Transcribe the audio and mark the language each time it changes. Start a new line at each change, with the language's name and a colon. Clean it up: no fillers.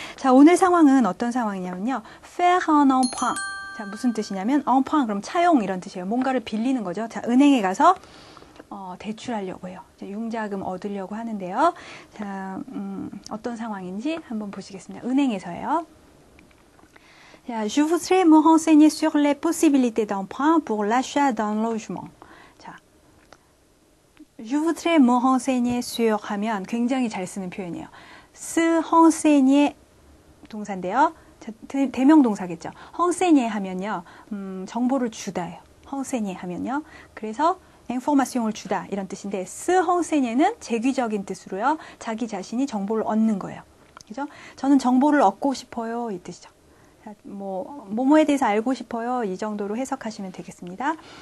Korean: 자, 오늘 상황은 어떤 상황이냐면요.
French: Faire un emprunt.
Korean: 자, 무슨 뜻이냐면 emprunt 그럼 차용 이런 뜻이에요. 뭔가를 빌리는 거죠. 자, 은행에 가서 대출하려고요. 융자금 얻으려고 하는데요. 자, 어떤 상황인지 한번 보시겠습니다. 은행에서요.
French: 자, je voudrais me renseigner sur les possibilités d'emprunt pour l'achat d'un logement.
Korean: 자,
French: je voudrais me renseigner sur
Korean: 하면 굉장히 잘 쓰는 표현이에요. se renseigner 동사인데요. 자, 대명동사겠죠. renseigner 하면요. 정보를 주다예요. renseigner 하면요. 그래서 information을 주다 이런 뜻인데 스 헝세니는 재귀적인 뜻으로요. 자기 자신이 정보를 얻는 거예요. 그죠? 저는 정보를 얻고 싶어요. 이 뜻이죠. 자, 뭐뭐에 대해서 알고 싶어요. 이 정도로 해석하시면 되겠습니다.